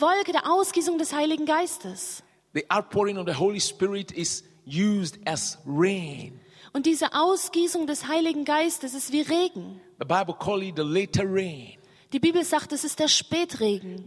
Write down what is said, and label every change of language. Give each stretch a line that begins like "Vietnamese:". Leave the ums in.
German: Wolke der Ausgießung des Heiligen Geistes.
English: The outpouring of the Holy Spirit is used as rain.
German: Und diese Ausgießung des Heiligen Geistes ist wie Regen.
English: The Bible calls it the later rain.
German: Die Bibel sagt, es ist der Spätregen.